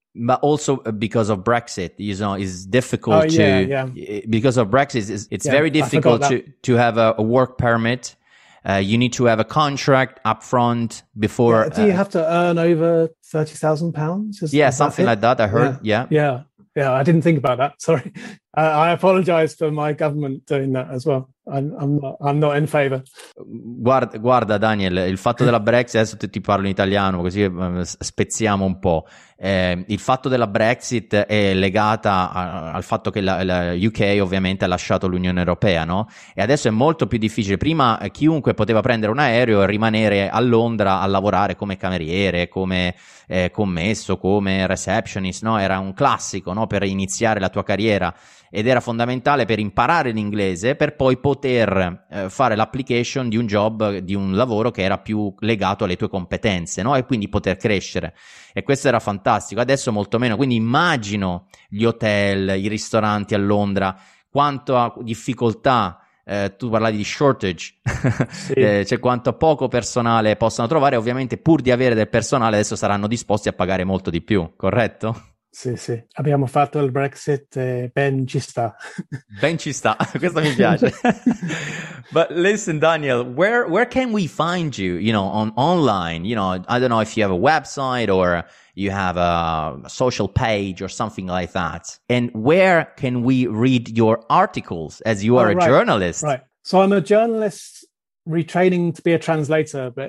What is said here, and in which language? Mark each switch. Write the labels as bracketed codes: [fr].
[en] But also because of Brexit, you know, it's difficult because of Brexit, it's very difficult to have a work permit. You need to have a contract up front before. Yeah. Do you have to earn over £30,000? Yeah, something like that, I heard. Yeah. Yeah. Yeah. Yeah. I didn't think about that. Sorry. I apologize for my government doing that as well. I'm not in favor. [it] Guarda Daniel, il fatto della Brexit, adesso ti parlo in italiano così spezziamo un po', il fatto della Brexit è legata al fatto che la UK ovviamente ha lasciato l'Unione Europea, no? E adesso è molto più difficile. Prima chiunque poteva prendere un aereo e rimanere a Londra a lavorare come cameriere, come commesso, come receptionist, no? Era un classico, no? Per iniziare la tua carriera. Ed era fondamentale per imparare l'inglese per poi poter fare l'application di un job, di un lavoro che era più legato alle tue competenze, no? E quindi poter crescere. E questo era fantastico. Adesso molto meno. Quindi immagino gli hotel, i ristoranti a Londra, quanto a difficoltà, tu parlavi di shortage, cioè quanto poco personale possano trovare. Ovviamente pur di avere del personale adesso saranno disposti a pagare molto di più, corretto? Sì, sì. Abbiamo fatto il Brexit, ben ci sta. Ben ci sta, questo mi piace. [en] But listen, Daniel, where can we find you, you know, online? You know, I don't know if you have a website or you have a social page or something like that. And where can we read your articles, as you are a journalist? Right, so I'm a journalist retraining to be a translator.